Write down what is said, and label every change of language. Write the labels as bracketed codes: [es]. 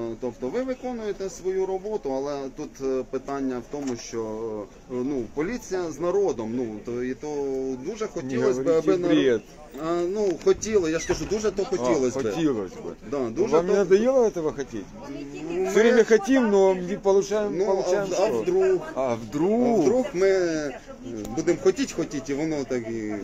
[uk] Тобто ви виконуєте свою роботу, але тут питання в тому, що ну, поліція з народом, ну, то і то дуже хотілося б, аби народ. Ну, хотіло, я ж кажу, дуже то хотілося б. Хотілося б. Да, дуже вам не надоело цього хотіти? [ru] Ми все время хотим, но не получаем, ну, получаем. А вдруг? А вдруг? А вдруг [uk] ми будемо хотіти, і воно так і...